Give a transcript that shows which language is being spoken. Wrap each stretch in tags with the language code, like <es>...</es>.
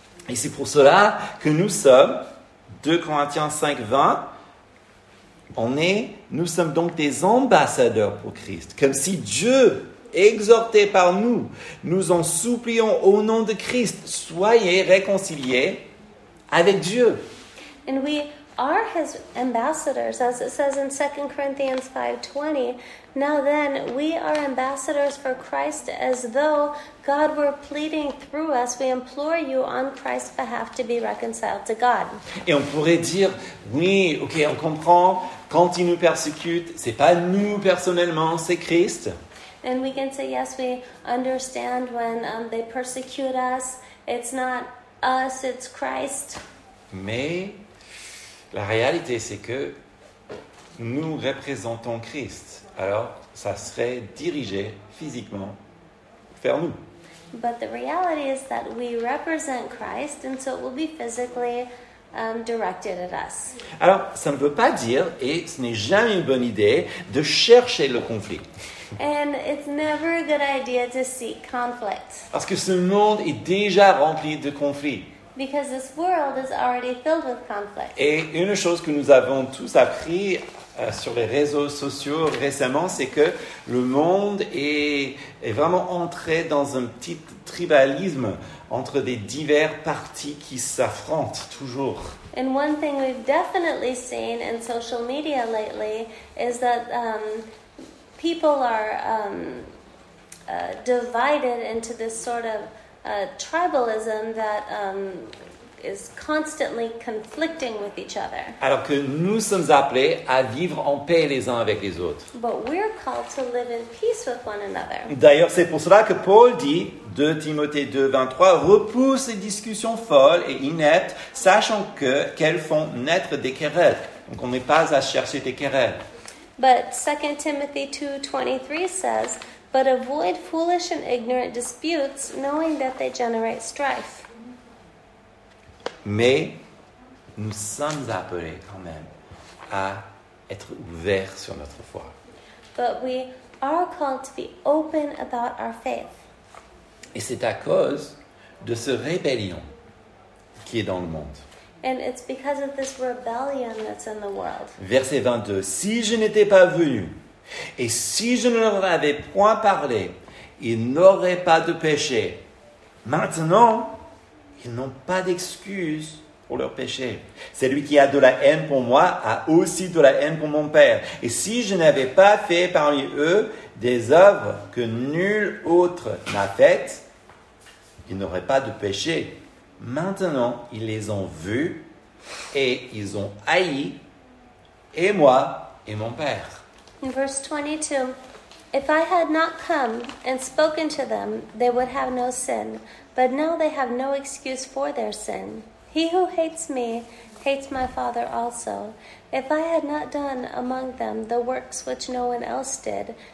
<fr>Et c'est pour cela que nous sommes, 2 Corinthiens 5:20, nous sommes donc des ambassadeurs pour Christ, comme si Dieu, exhorté par nous, nous en supplions au nom de Christ, soyez réconciliés avec Dieu.</fr> <en>And we are his ambassadors, as it says in 2 Corinthians 5:20. Now then, we are ambassadors for Christ, as though God were pleading through us. We implore you on Christ's behalf to be reconciled to God.</en> <fr>Et on pourrait dire, oui, ok, on comprend, quand il nous persécute, c'est pas nous personnellement, c'est Christ.</fr> <en>And we can say, yes, we understand when they persecute us. It's not us, it's Christ.</en> <fr>Mais la réalité, c'est que nous représentons Christ. Alors, ça serait dirigé physiquement vers nous.</fr> <en>But the reality is that we represent Christ, and so it will be physically directed at us.</en> <fr>Alors, ça ne veut pas dire, et ce n'est jamais une bonne idée, de chercher le conflit.</fr> <en>And it's never a good idea to seek conflict.</en> <fr>Parce que ce monde est déjà rempli de conflits.</fr> <en>Because this world is already filled with conflict.</en> <fr>Et une chose que nous avons tous appris sur les réseaux sociaux récemment, c'est que le monde est vraiment entré dans un petit tribalisme entre des divers partis qui s'affrontent toujours.</fr> <en>And one thing we've definitely seen in social media lately is that people are divided into this sort of tribalism that is constantly conflicting with each other.</en> <fr>Alors que nous sommes appelés à vivre en paix les uns avec les autres.</fr> <en>But we're called to live in peace with one another.</en> <fr>D'ailleurs, c'est pour cela que Paul dit, 2 Timothée 2:23, repousse les discussions folles et ineptes, sachant qu'elles font naître des querelles. Donc on n'est pas à chercher des querelles.</fr> <en>But 2 Timothy 2:23 says, but avoid foolish and ignorant disputes, knowing that they generate strife.</en> <fr>Mais nous sommes appelés quand même à être ouverts sur notre foi.</fr> <en>But we are called to be open about our faith.</en> <fr>Et c'est à cause de ce rébellion qui est dans le monde.</fr> <en>And it's because of this rebellion that's in the world.</en> <fr>Verset 22. Si je n'étais pas venu, et si je ne leur avais point parlé, ils n'auraient pas de péché. Maintenant, ils n'ont pas d'excuse pour leur péché. Celui qui a de la haine pour moi a aussi de la haine pour mon père. Et si je n'avais pas fait parmi eux des œuvres que nul autre n'a faites, ils n'auraient pas de péché. Maintenant, ils les ont vus et ils ont haï et moi et mon père.</fr> <en>In verse 22, if I had not come and spoken to them, they would have no sin. But now they have no excuse for their sin. He who hates me hates my father also. If I had not done among them the works which no one else did,</en>